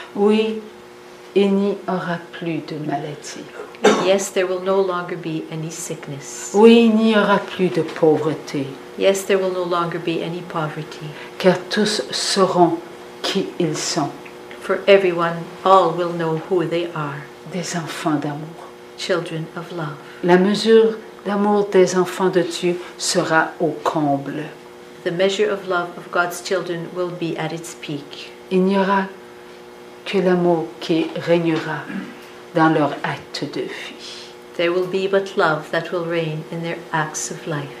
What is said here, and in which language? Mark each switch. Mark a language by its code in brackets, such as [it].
[fr] Oui, il n'y aura plus de maladies. [en] Yes, there will no longer be any sickness. [fr] Oui, il n'y aura plus de pauvreté. [en] Yes, there will no longer be any poverty. [fr] Car tous sauront qui ils sont. [en] For everyone, all will know who they are. [fr] Des enfants d'amour. [en] Children of love. [fr] La mesure d'amour des enfants de Dieu sera au comble. [en] The measure of love of God's children will be at its peak. [fr] Il n'y aura que l'amour qui régnera dans leur acte de vie. [en] There will be but love that will reign in their acts of life.